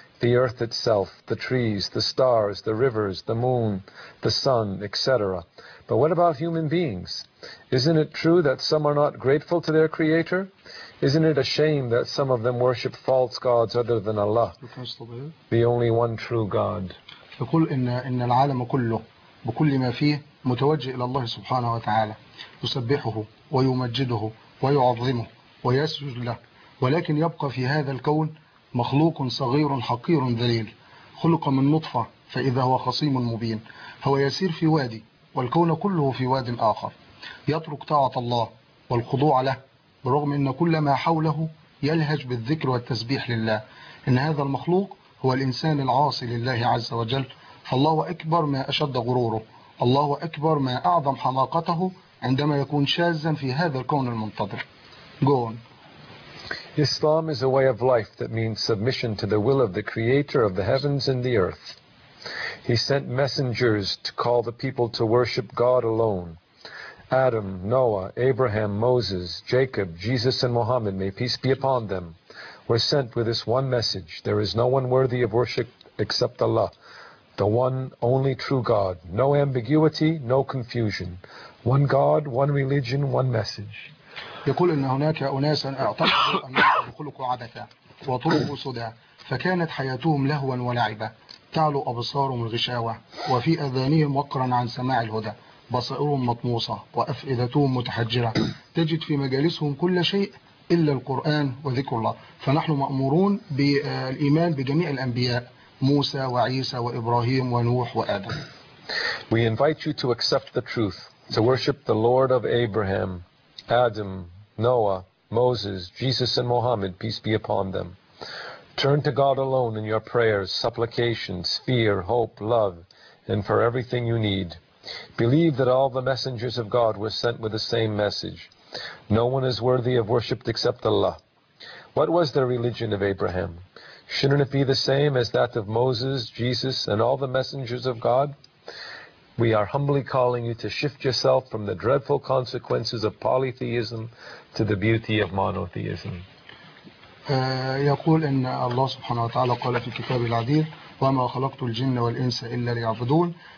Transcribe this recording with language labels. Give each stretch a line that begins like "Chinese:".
English: The earth itself, the trees, the stars, the rivers, the moon, the sun, etc. But what about human beings? Isn't it true that some are not grateful to their Creator? Isn't it a shame that some of them worship false gods other than Allah, the only one true God?
Arabic: يقول إن العالم كله بكل ما فيه متوجه إلى الله سبحانه وتعالى، يسبحه ويمجده ويعظمه ويسجد له، ولكن يبقى في هذا الكون مخلوق صغير حقير ذليل، خلق من نطفة فإذا هو خصيم مبين. هو يسير في وادي والكون كله في واد آخر، يترك طاعة الله والخضوع له برغم أن كل ما حوله يلهج بالذكر والتسبيح لله. إن هذا المخلوق هو الإنسان العاصي لله عز وجل، فالله أكبر ما أشد غروره، الله أكبر ما أعظم حماقته عندما يكون شاذا في هذا الكون المنتظر.
English: Islam is a way of life that means submission to the will of the Creator of the heavens and the earth. He sent messengers to call the people to worship God alone. Adam, Noah, Abraham, Moses, Jacob, Jesus, and Muhammad, may peace be upon them, were sent with this one message: there is no one worthy of worship except Allah, the one only true God. No ambiguity, no confusion. One God, one religion, one message.
Arabic: يقول إن هناك أناسا اعتقدوا أنهم خلقوا عبثا وطرقوا صدى، فكانت حياتهم لهوا ولعبا، تعلو أبصارهم الغشاوة وفي أذانهم وقرا عن سماع الهدى، بصائرهم مطموسة وأفئدتهم متحجرة، تجد في مجالسهم كل شيء إلا القرآن وذكر الله. فنحن مأمورون بالإيمان بجميع الأنبياء، موسى وعيسى وإبراهيم ونوح وآدم.
English: We invite you to accept the truth, to worship the Lord of Abraham, Adam, Noah, Moses, Jesus, and Muhammad, peace be upon them. Turn to God alone in your prayers, supplications, fear, hope, love, and for everything you need. Believe that all the messengers of God were sent with the same message: no one is worthy of worship except Allah. What was the religion of Abraham? Shouldn't it be the same as that of Moses, Jesus, and all the messengers of God? We are humbly calling you to shift yourself from the dreadful consequences of polytheism to the beauty of monotheism.
Arabic: يقول إن الله سبحانه وتعالى قال في الكتاب العظيم: وما خلقت الجن والإنس إلا ليعبدون.